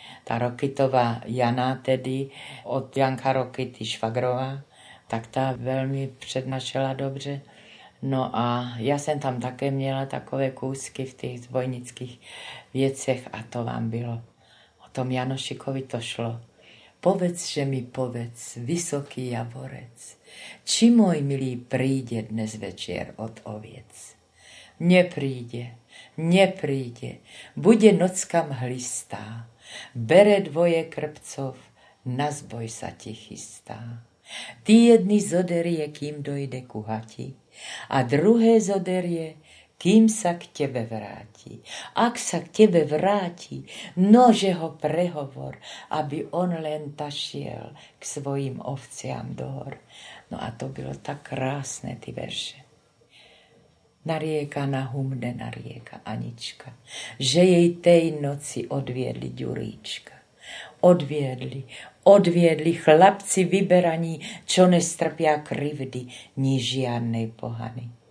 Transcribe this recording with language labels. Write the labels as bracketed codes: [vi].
[cs] Ta Rokitová Jana tedy, od Janka Rokity Švagrová, tak ta velmi přednášela dobře. No a ja som tam také měla takové kúsky v tých zbojnických věcech a to vám bylo. O tom Janošikovi to šlo. [sk] Povedz, že mi povedz, vysoký javorec, či môj milý príde dnes večer od oviec. Nepríde, nepríde, bude nocka mhlistá, bere dvoje krpcov, na zboj sa ti chystá. Ty jedny zoderie, kým dojde ku hati, a druhé zoderie, kým sa k tebe vráti. Ak sa k tebe vráti, nože ho prehovor, aby on len tašiel k svojim ovciam do hor. [cs] No a to bylo tak krásne, ty verše. [sk] Narieka na humne, narieka Anička, že jej tej noci odviedli Ďuríčka. Odviedli, odviedli chlapci vyberaní, čo nestrpia krivdy, ni žiadnej pohany.